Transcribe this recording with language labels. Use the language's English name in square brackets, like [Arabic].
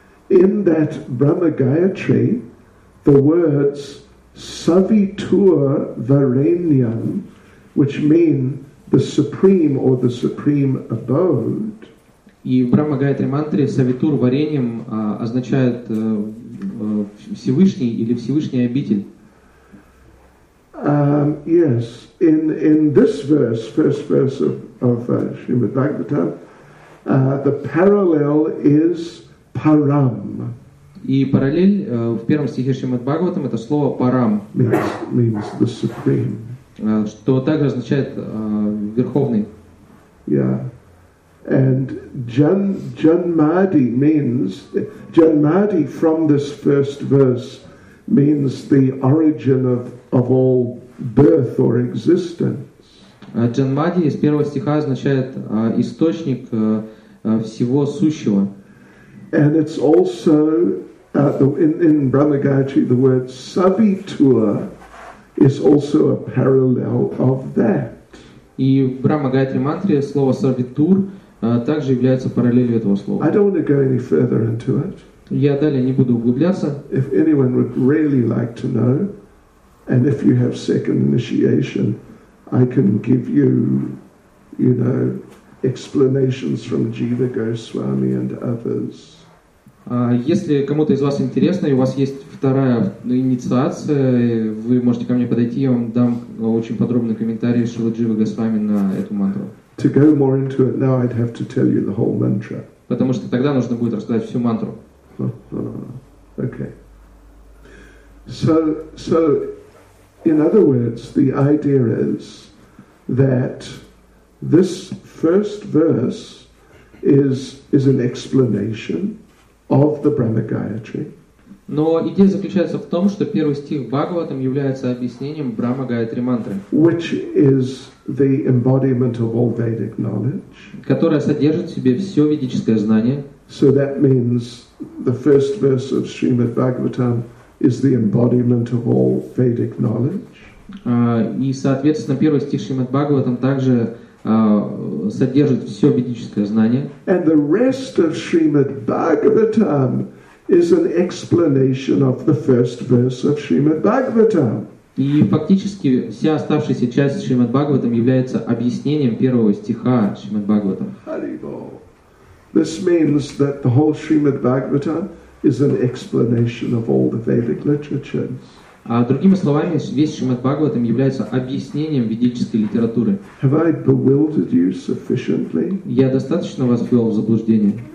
[English] In that Brahma Gayatri, the words savitur varenyam, which mean the supreme or the supreme abode. [Russian] И в Брахма-гаятри мантре савитур вареньям означает Всевышний или Всевышний обитель. [English] Yes, in this verse, first verse of Srimad Bhagavatam, the parallel is param. [Russian] И параллель в первом стихе Шримад Бхагаватам это слово парам. [English] Means the supreme. [Russian] Что также означает верховный. [English] Yeah. And Janmadi means, Janmadi from this first verse means the origin of all birth or existence. [Russian] Janmadi из первого стиха означает источник всего сущего. [English] And it's also, in Brahma Gayatri, the word savitur is also a parallel of that. [Russian] И в Брахма Гаятри мантре слово савитур также является параллелью этого слова. [English] I don't want to go any further into it. [Russian] Я далее не буду углубляться. [English] If anyone would really like to know, and if you have second initiation, I can give you, you know, explanations from Jiva Goswami and others. [Russian] Если кому-то из вас интересно, и у вас есть вторая инициация, вы можете ко мне подойти, я вам дам очень подробный комментарий Шрила Джива Госвами на эту мантру. [English] To go more into it now, I'd have to tell you the whole mantra. [Russian] Потому что тогда нужно будет рассказать всю мантру. [English] Okay. So, in other words, the idea is that this first verse is an explanation of the Brahma Gayatri. [Russian] Но идея заключается в том, что первый стих Бхагаватам является объяснением Брахма Гаятри мантры, [English] which is the embodiment of all Vedic knowledge, [Russian] которая содержит в себе все ведическое знание. [English] So that means the first verse of Srimad Bhagavatam is the embodiment of all Vedic knowledge. [Russian] И, соответственно, первый стих Шримад Бхагаватам также содержит все ведическое знание. [English] And the rest of Srimad Bhagavatam is an explanation of the first verse of Srimad Bhagavatam. [Russian] И фактически вся оставшаяся часть Шримад Бхагаватам является объяснением первого стиха Шримад Бхагаватам. [English] This means that the whole Srimad Bhagavatam is an explanation of all the Vedic literatures. [Russian] А другими словами, весь Шримад Бхагаватам является объяснением ведической литературы. [English] Have I bewildered you sufficiently? [Russian] Я достаточно вас ввел в заблуждение?